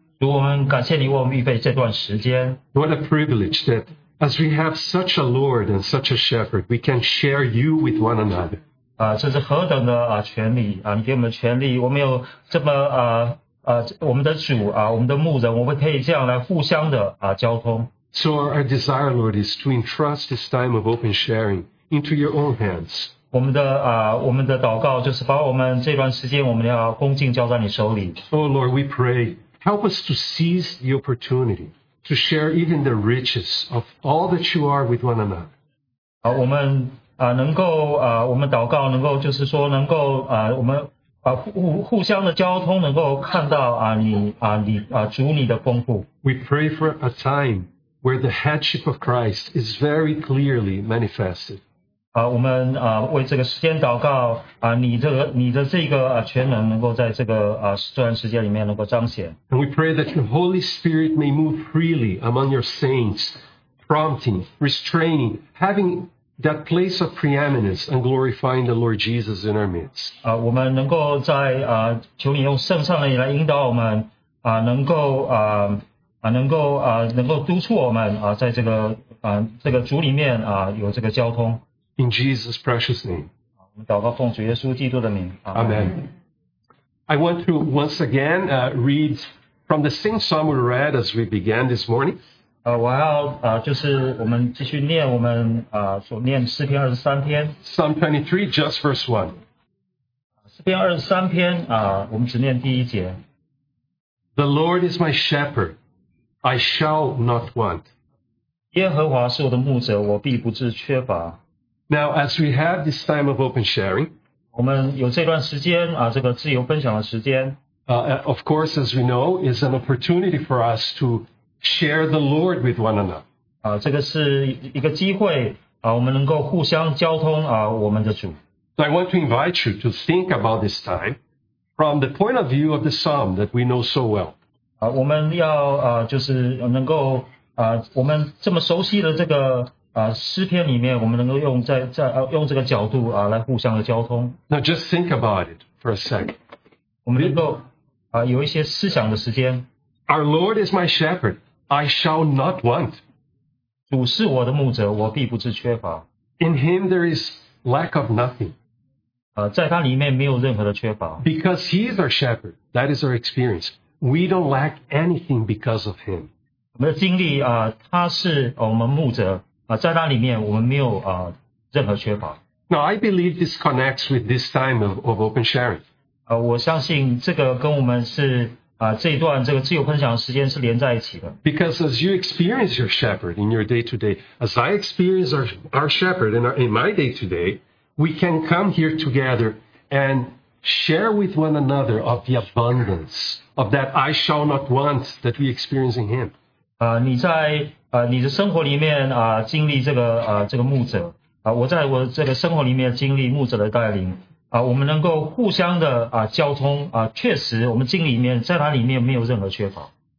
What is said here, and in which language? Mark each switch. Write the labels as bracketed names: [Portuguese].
[Chinese] 主，我们感谢你为我们预备这段时间。 [English] What a privilege that as we have such a Lord and such a Shepherd, we can share you with one another. [Chinese] 这是何等的权利啊！你给我们权利，我们有这么我们的主啊，我们的牧人，我们可以这样来互相的交通。 [English] So our desire, Lord, is to entrust this time of open sharing into your own hands. [Chinese] 我们的祷告就是把我们这段时间我们要恭敬交在你手里。 [English] Oh Lord, we pray, help us to seize the opportunity to share even the riches of all that you are with one another. [Chinese] 我们能够我们祷告能够就是说能够我们互相的交通能够看到主你的丰富。 [English] We pray for a time where the headship of Christ is very clearly manifested. [Chinese] 我们为这个时间祷告你的这个全能能够在这个这段时间里面能够彰显。 [English] And we pray that your Holy Spirit may move freely among your saints, prompting, restraining, having that place of preeminence and glorifying the Lord Jesus in our midst. [Chinese] 我们能够在求你用圣上的灵来引导我们能够督促我们在这个主里面有这个交通。 [English] In Jesus' precious name. [Chinese] 我们祷告奉主耶稣基督的名。 [English] Amen. I want to once again read from the same psalm we read as we began this morning. [Chinese] 我要就是我们继续念我们所念诗篇二十三篇。 [English] Psalm 23, just verse 1. [Chinese] 诗篇二十三篇我们只念第一节。 [English] The Lord is my shepherd. I shall not want. [Chinese] 耶和华是我的牧者，我必不致缺乏。 [English] Now, as we have this time of open sharing, [Chinese] 我们有这段时间这个自由分享的时间。 [English] Of course, as we know, is an opportunity for us to share the Lord with one another. [Chinese] 这个是一个机会我们能够互相交通我们的主。 [English] So I want to invite you to think about this time from the point of view of the psalm that we know so well. [Chinese] 我们要就是能够我们这么熟悉的这个诗篇里面，我们能够用用这个角度来互相的交通。 [English] Now just think about it for a second. [Chinese] 我们能够有一些思想的时间。 [English] Our Lord is my shepherd; I shall not want. [Chinese] 主是我的牧者，我必不致缺乏。 [English] In Him there is lack of nothing. [Chinese] 在他里面没有任何的缺乏。 [English] Because He is our shepherd, that is our experience. We don't lack anything because of him. [Chinese] 我们的经历他是我们牧者在那里面我们没有任何缺乏。 [English] Now I believe this connects with this time of open sharing. [Chinese] 我相信这个跟我们是这一段这个自由分享的时间是连在一起的。 [English] Because as you experience your shepherd in your day to day, as I experience our shepherd in my day to day, we can come here together and share with one another of the abundance of that I shall not want that we experience in Him. [Chinese] 你在你的生活里面经历这个牧者我在我这个生活里面经历牧者的带领我们能够互相的交通确实我们经历里面在他里面没有任何缺乏。